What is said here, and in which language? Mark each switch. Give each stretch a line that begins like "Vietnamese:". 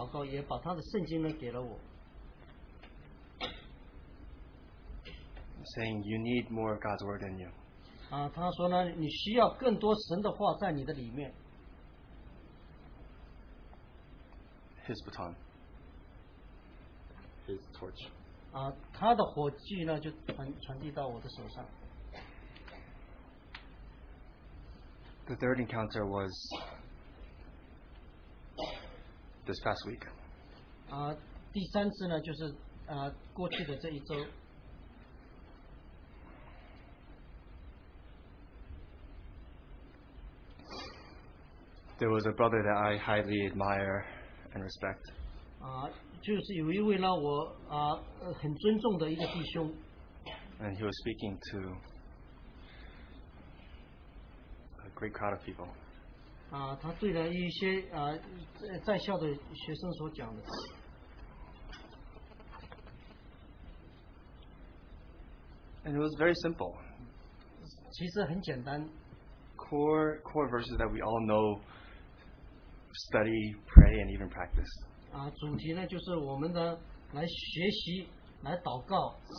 Chinese: 他看到我呢，他为我祷告，也把他的圣经呢给了我。
English: Saying you need more of God's word in you.
Chinese: 他说呢，你需要更多神的话在你的里面。
English: His baton. His torch.
Chinese: 他的火炬呢，就传递到我的手上。
English: The third encounter was this past week.
Chinese: 第三次呢，就是过去的这一周。
English: There was a brother that I highly admire and respect.
Chinese: 就是有一位呢，我很尊重的一个弟兄。
English: And he was speaking to great crowd of people.
Chinese: 他对了一些在校的学生所讲的。
English: And it was very simple.
Chinese: 其实很简单。
English: Core verses that we all know, study, pray, and even practice.
Chinese: 主题呢就是我们的来学习来祷告。